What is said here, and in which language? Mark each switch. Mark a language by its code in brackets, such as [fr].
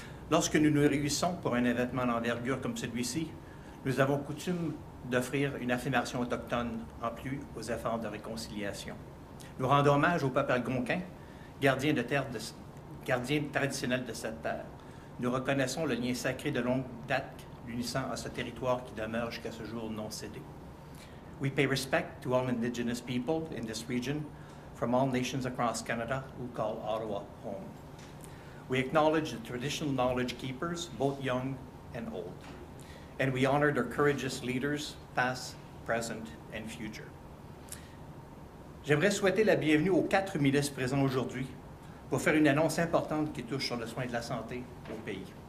[fr] Lorsque nous nous réunissons pour un événement d'envergure comme celui-ci, nous avons coutume d'offrir une affirmation autochtone en plus aux efforts de réconciliation. Nous rendons hommage au peuple algonquin, gardien traditionnel de cette terre. Nous reconnaissons le lien sacré de longue date l'unissant à ce territoire qui demeure jusqu'à ce jour non cédé. [en] We pay respect to all Indigenous people in this region from all nations across Canada who call Ottawa home. We acknowledge the traditional knowledge keepers, both young and old, and we honor their courageous leaders, past, present, and future. [fr] J'aimerais souhaiter la bienvenue aux quatre ministres présents aujourd'hui pour faire une annonce importante qui touche sur le soin de la santé au pays.